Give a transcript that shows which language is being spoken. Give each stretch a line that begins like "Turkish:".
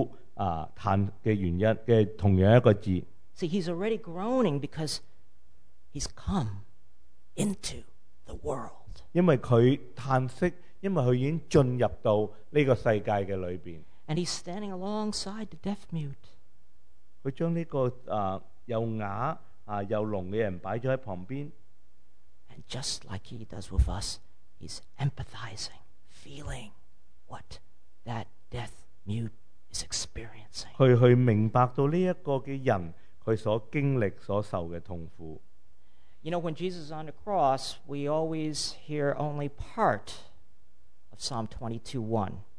Cantonese: 咁呢个就系同样话去叹息痛苦叹嘅原因嘅同样一个字。
English: See, he's already groaning because he's come into the world.
Cantonese: 因为佢叹息，因为佢已经进入到呢个世界嘅里边。
English: And he's standing alongside the deaf mute.
Cantonese: 佢将呢个又哑又聋嘅人摆咗喺旁边。
English: And just like he does with us, he's empathizing, feeling what that deaf mute is experiencing.
Cantonese: 佢明白到呢一个嘅人佢所经历所受嘅痛苦。
English: You know, when Jesus is on the cross, we always hear only part of Psalm 22:1.